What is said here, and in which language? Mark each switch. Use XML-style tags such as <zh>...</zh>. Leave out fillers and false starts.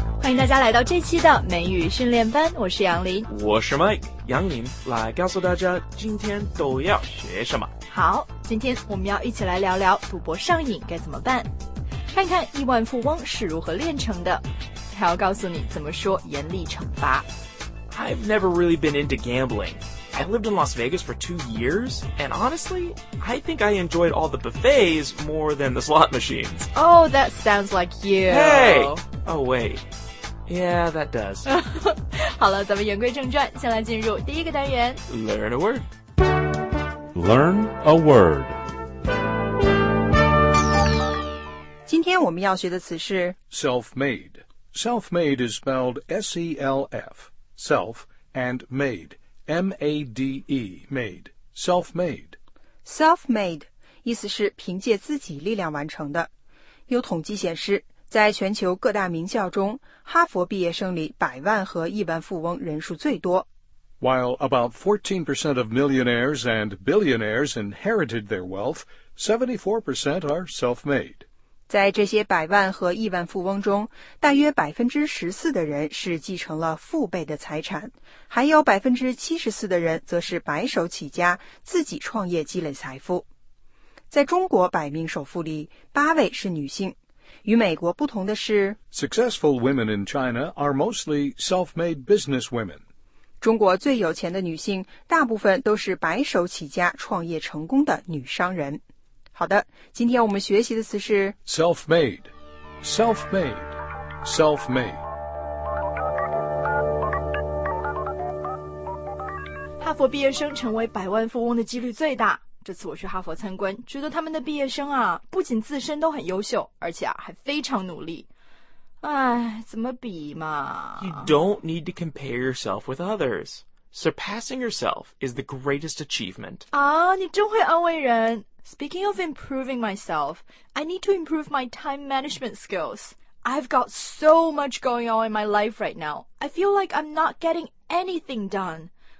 <zh>迎大家来到这期的美语训练班，我是杨林，我是 Mike， 杨林来告诉大家今天都要学什么。好，今天我们要一起来聊聊赌博上瘾该怎么办，看看亿万富翁是如何练成的，还要告诉你怎么说严厉惩罚。</zh> <en>I've never really been into gambling. I lived in Las Vegas for 2 years, and honestly, I think I enjoyed all the buffets more than the slot machines. Oh, that sounds like you. Hey! Oh, wait. Yeah, that does.</en> <zh>好了，咱们言归正传，先来进入第一个单元。</zh> <en>Learn a word. Learn a word.</en> <zh>今天我们要学的词是</zh> <en>self-made. Self-made is spelled S-E-L-F. Self and made, M-A-D-E, made, self-made.</en> <zh>Self-made, 意思是凭借自己力量完成的。有统计显示，在全球各大名校中，哈佛毕业生里百万和亿万富翁人数最多。</zh> <en>While about 14% of millionaires and billionaires inherited their wealth, 74% are self-made.</en> <zh>在这些百万和亿万富翁中，大约14%的人是继承了父辈的财产，还有74%的人则是白手起家，自己创业积累财富。在中国百名首富里，八位是女性。与美国不同的是</zh> <en>，Successful women in China are mostly self-made business women.</en> <zh>中国最有钱的女性，大部分都是白手起家创业成功的女商人。好的，今天我们学习的词是</zh> <en>self-made, self-made, self-made.</en> <zh>哈佛毕业生成为百万富翁的几率最大。这次我去哈佛参观，觉得他们的毕业生啊，不仅自身都很优秀，而且啊，还非常努力。哎，怎么比嘛</zh> <en>？You don't need to compare yourself with others. Surpassing yourself is the greatest achievement.</en> <zh>啊，你真会安慰人。</zh> <en>Speaking of improving myself, I need to improve my time management skills. I've got so much going on in my life right now. I feel like I'm not getting anything done.</en>